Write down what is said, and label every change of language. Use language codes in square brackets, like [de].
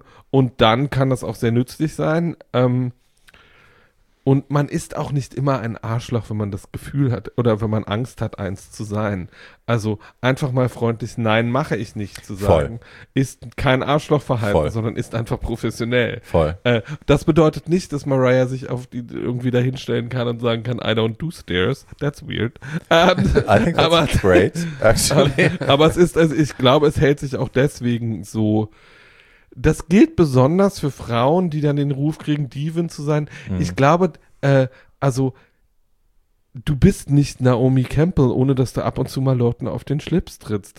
[de] Und dann kann das auch sehr nützlich sein. Und man ist auch nicht immer ein Arschloch, wenn man das Gefühl hat oder wenn man Angst hat, eins zu sein. Also einfach mal freundlich, nein, mache ich nicht zu sagen, ist kein Arschlochverhalten, sondern ist einfach professionell. Voll. Das bedeutet nicht, dass Mariah sich auf die irgendwie dahinstellen kann und sagen kann, [en] I don't do stairs. That's weird. I think that's great, actually. [de] Aber es ist, also ich glaube, es hält sich auch deswegen so. Das gilt besonders für Frauen, die dann den Ruf kriegen, Diven zu sein. Mhm. Ich glaube, du bist nicht Naomi Campbell, ohne dass du ab und zu mal Leuten auf den Schlips trittst.